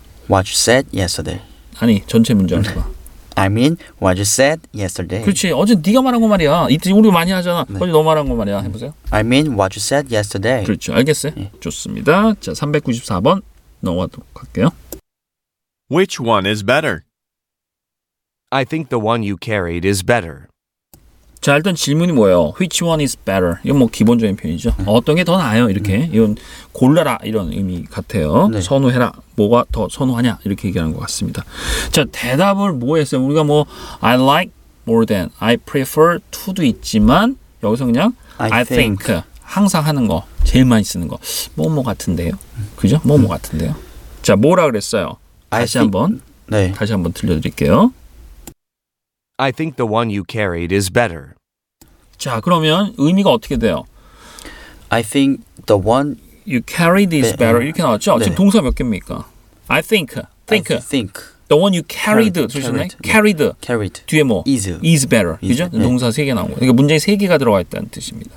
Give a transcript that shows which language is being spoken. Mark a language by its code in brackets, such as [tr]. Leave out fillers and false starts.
[en] What you said yesterday. [ko] 아니 전체 문장 봐. [en] I mean what you said yesterday. [ko] 그렇지. 어제 네가 말한 거 말이야. 이때 우리 많이 하잖아. 네. 어제 너 말한 거 말이야. 해보세요. [en] I mean what you said yesterday. [ko] 그렇죠. 알겠어요. 네. 좋습니다. 자 394번 넘어가도록 할게요. [en] Which one is better? I think the one you carried is better. [ko] 자 일단 질문이 뭐예요? [en] Which one is better? [ko] 이건 뭐 기본적인 표현이죠. 네. 어떤 게 더 나아요? 이렇게 이건 골라라 이런 의미 같아요. 네. 선호해라. 뭐가 더 선호하냐? 이렇게 얘기하는 것 같습니다. 자 대답을 뭐 했어요? 우리가 뭐 [en] I like more than, I prefer to [ko] 도 있지만 여기서 그냥 [en] I think [ko] 항상 하는 거 제일 많이 쓰는 거 뭐뭐 같은데요? 그죠? 뭐뭐 같은데요? 자 뭐라 그랬어요? 다시 한번 들려드릴게요. [en] I think the one you carried is better. [ko] 자, 그러면 의미가 어떻게 돼요? [en] I think the one you carried is better. [ko] 이렇게 나왔죠? 네. 지금 동사 몇 개입니까? [en] I think. The one you carried. Carried. 네. carried. [ko] 뒤에 뭐? [en] Is better. [ko] 그죠? 네. 동사 3개 나온 거. 그러니까 문장에 3개가 들어가 있다는 뜻입니다.